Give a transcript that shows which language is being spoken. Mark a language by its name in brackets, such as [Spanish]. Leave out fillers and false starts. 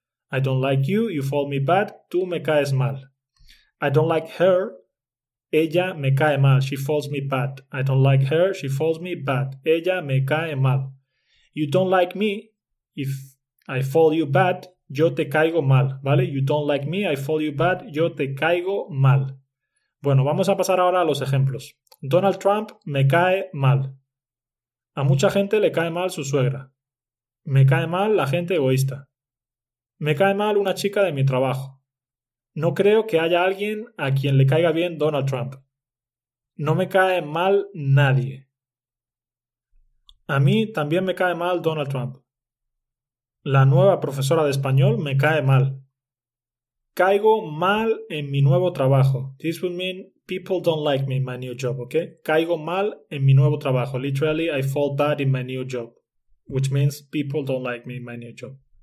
[English] I don't like you, you fall me bad, tú me caes mal. I don't like her, ella me cae mal, she falls me bad. I don't like her, she falls me bad, ella me cae mal. You don't like me, if I fall you bad, yo te caigo mal, ¿vale? You don't like me, I fall you bad, yo te caigo mal. [Spanish] Bueno, vamos a pasar ahora a los ejemplos. Donald Trump me cae mal. A mucha gente le cae mal su suegra. Me cae mal la gente egoísta. Me cae mal una chica de mi trabajo. No creo que haya alguien a quien le caiga bien Donald Trump. No me cae mal nadie. A mí también me cae mal Donald Trump. La nueva profesora de español me cae mal. Caigo mal en mi nuevo trabajo. [English] This would mean people don't like me in my new job, okay? Caigo mal en mi nuevo trabajo. Literally, I fall bad in my new job. Which means people don't like me in my new job.